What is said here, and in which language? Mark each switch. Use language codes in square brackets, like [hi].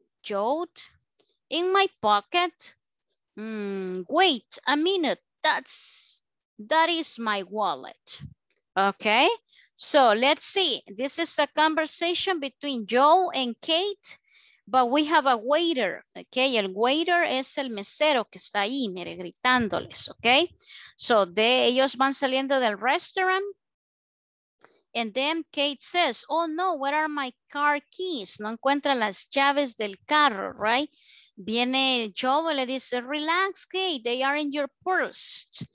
[en] jot, in my pocket. Wait a minute, that is my wallet. Okay, so let's see. This is a conversation between Joe and Kate, but we have a waiter. [es] Okay, el waiter es el mesero que está ahí, mire, gritándoles. Okay, so ellos van saliendo del restaurant. [en] And then Kate says, oh no, where are my car keys? [es] No encuentra las llaves del carro, right? Viene Joe, le dice, [en] relax, Kate, they are in your purse.